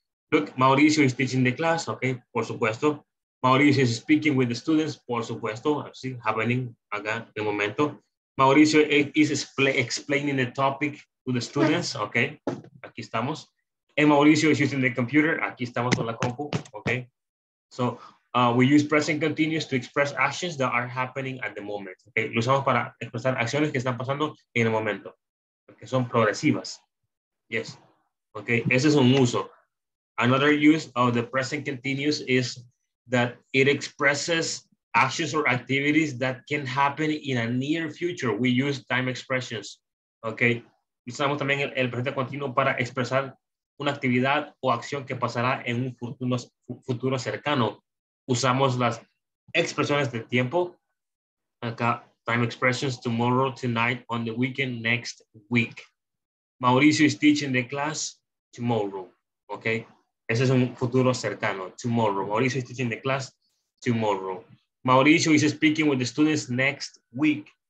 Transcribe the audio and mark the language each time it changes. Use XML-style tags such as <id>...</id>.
<en>Look, Mauricio is teaching the class. Okay,</en> <es>por supuesto.</es> <en>Mauricio is speaking with the students, por supuesto,</en> <es>así,</es> <en>happening</en> <es>acá de momento.</es> <en>Mauricio is explaining the topic to the students, okay,</en> <es>aquí estamos.</es> <en>And Mauricio is using the computer,</en> <es>aquí estamos con la compu,</es> <en>okay. So we use present continuous to express actions that are happening at the moment, okay.</en> <es>Lo usamos para expresar acciones que están pasando en el momento, que son progresivas. Yes, okay, ese es un uso.</es> <en>Another use of the present continuous is that it expresses actions or activities that can happen in a near future. We use time expressions, okay?</en> <es>Usamos también el presente continuo para expresar una actividad o acción que pasará en un futuro cercano. Usamos las expresiones de tiempo.</es> <en>Acá, time expressions, tomorrow, tonight, on the weekend, next week. Mauricio is teaching the class tomorrow, okay?</en> <es>Ese es un futuro cercano,</es> <en>tomorrow. Mauricio is teaching the class tomorrow. Mauricio is speaking with the students next week.</en>